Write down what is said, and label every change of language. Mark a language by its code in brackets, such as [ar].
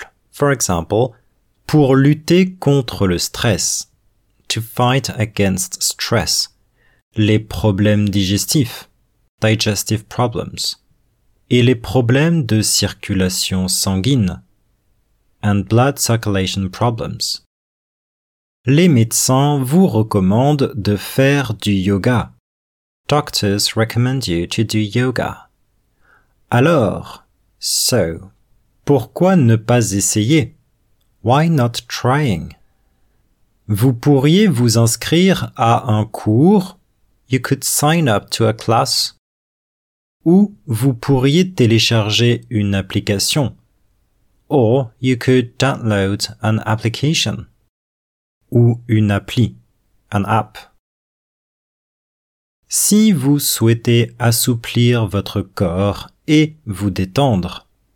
[en] For example, [fr] pour lutter contre le stress. [en] To fight against stress. [fr] Les problèmes digestifs, [en] digestive problems, [fr] et les problèmes de circulation sanguine, [en] and blood circulation problems. [fr] Les médecins vous recommandent de faire du yoga. [en] Doctors recommend you to do yoga. [fr] Alors, so, pourquoi ne pas essayer? [en] Why not trying? [fr] Vous pourriez vous inscrire à un cours. [en] You could sign up to a class. [fr] Ou vous pourriez télécharger une application. [en] Or you could download an application. [fr] Ou une appli. [en] An app. [fr] Si vous souhaitez assouplir votre corps et vous détendre.